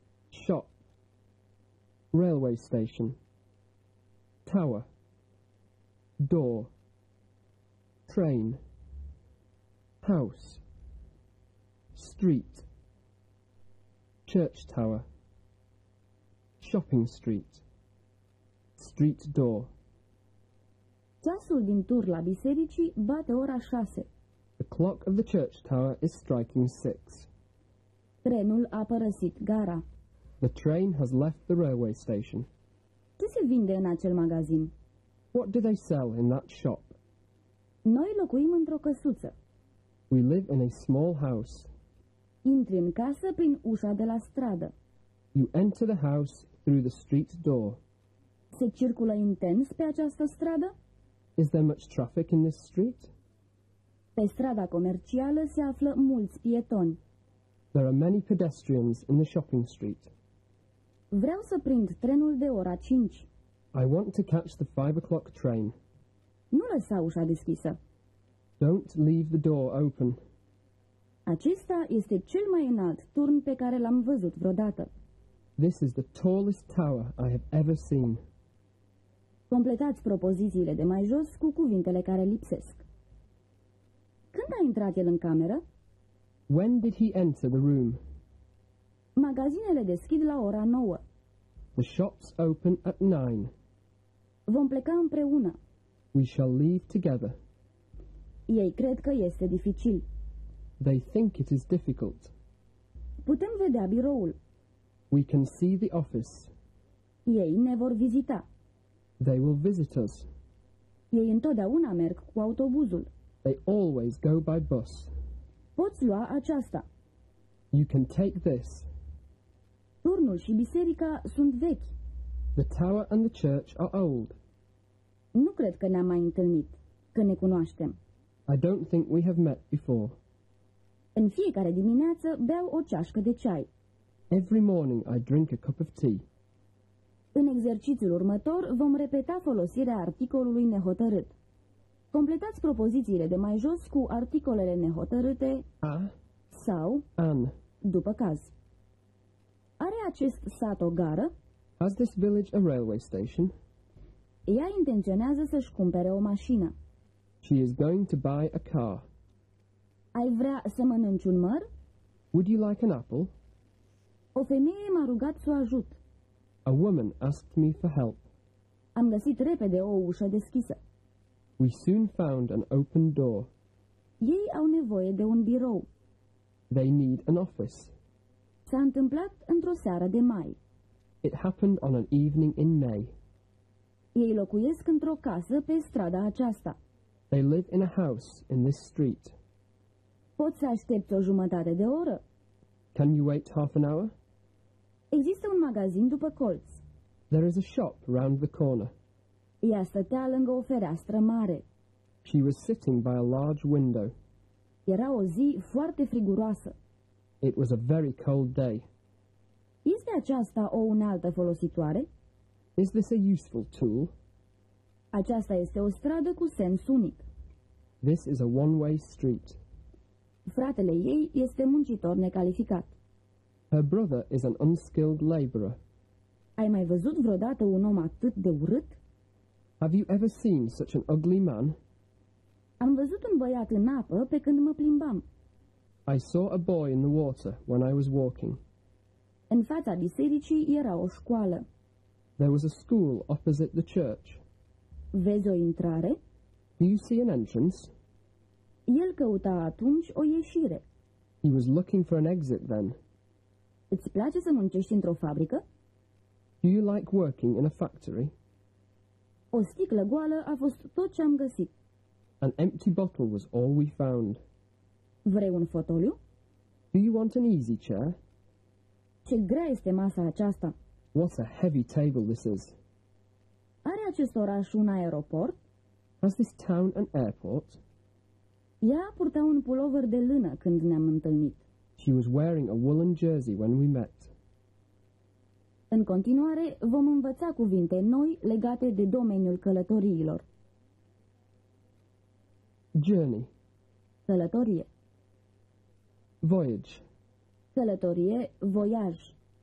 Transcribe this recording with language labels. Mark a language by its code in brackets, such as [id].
[en] Shop. Railway station. Tower. Door. Train. House. Street. Church tower. Shopping street. Street door. [ro] Ceasul din tur la bisericii bate ora 6. [en] The clock of the church tower is striking 6. [ro] Trenul a părăsit gara. [en] The train has left the railway station. [ro] Ce se vinde în acel magazin? [en] What do they sell in that shop? [ro] Noi locuim într-o căsuță. [en] We live in a small house. [ro] Intri în casă prin ușa de la stradă. [en] You enter the house through the street door. [ro] Se circulă intens pe această stradă? [en] Is there much traffic in this street? [ro] Pe strada comercială se află mulți pietoni. [en] There are many pedestrians in the shopping street. [ro] Vreau să prind trenul de ora 5. [en] I want to catch the 5 o'clock train. [ro] Nu lăsa ușa deschisă. [en] Don't leave the door open. [ro] Acesta este cel mai înalt turn pe care l-am văzut vreodată. [en] This is the tallest tower I have ever seen. [ro] Completați propozițiile de mai jos cu cuvintele care lipsesc. Când a intrat el în cameră? [en] When did he enter the room? [ro] Magazinele deschid la ora 9. [en] The shops open at 9. [ro] Vom pleca împreună. [en] We shall leave together. [ro] Ei cred că este dificil. [en] They think it is difficult. [ro] Putem vedea biroul. [en] We can see the office. [ro] Ei ne vor vizita. [en] They will visit us. [ro] Ei întotdeauna merg cu autobuzul. [en] They always go by bus. [ro] Poți lua aceasta. [en] You can take this. [ro] Turnul și biserica sunt vechi. [en] The tower and the church are old. [ro] Nu cred că ne-am mai întâlnit, că ne cunoaștem. [en] I don't think we have met before. [ro] În fiecare dimineață beau o ceașcă de ceai. [en] Every morning I drink a cup of tea. [ro] În exercițiul următor vom repeta folosirea articolului nehotărât. Completați propozițiile de mai jos cu articolele nehotărâte [en] a [ro] sau [en] an, [ro] după caz. Are acest sat o gară? [en] Has this village a railway station? [ro] Ea intenționează să-și cumpere o mașină. [en] She is going to buy a car. [ro] Ai vrea să mănânci un măr? [en] Would you like an apple? [ro] O femeie m-a rugat să o ajut. [en] A woman asked me for help. [ro] Am găsit repede o ușă deschisă. [en] We soon found an open door. [ro] Ei au nevoie de un birou. [en] They need an office. [ro] S-a întâmplat într-o seară de mai. [en] It happened on an evening in May. [ro] Ei locuiesc într-o casă pe strada aceasta. [en] They live in a house in this street. [ro] Poți să aștepți o jumătate de oră? [en] Can you wait half an hour? [ro] Există un magazin după colț. [en] There is a shop round the corner. [ro] Ea stătea lângă o fereastră mare. [en] She was sitting by a large window. [ro] Era o zi foarte friguroasă. [en] It was a very cold day. [ro] Este aceasta o unealtă folositoare? [en] Is this a useful tool? [ro] Aceasta este o stradă cu sens unic. [en] This is a one-way street. [ro] Fratele ei este muncitor necalificat. [en] Her brother is an unskilled laborer. [ro] Ai mai văzut vreodată un om atât de urât? [en] Have you ever seen such an ugly man? [ro] Am văzut un băiat în apă pe când mă plimbam. [en] I saw a boy in the water when I was walking. [ro] În fața bisericii era o școală. [en] There was a school opposite the church. [ro] Vezi o intrare? [en] Do you see an entrance? [ro] El căuta atunci o ieșire. [en] He was looking for an exit then. [ro] Îți place să muncești într-o fabrică? [en] Do you like working in a factory? [ro] O sticlă goală a fost tot ce am găsit. [en] An empty bottle was all we found. [ro] Vrei un fotoliu? [en] Do you want an easy chair? [ro] Ce grea este masa aceasta. [en] What a heavy table this is. [ro] Are acest oraș un aeroport? [en] Has this town an airport? [ro] Ea purta un pulover de lână când ne-am întâlnit. [en] She was wearing a woolen jersey when we met. [ro] În continuare, vom învăța cuvinte noi legate de domeniul călătoriilor. [en] Journey. [ro] Călătorie. [en] Voyage. [ro] Călătorie, voyaj.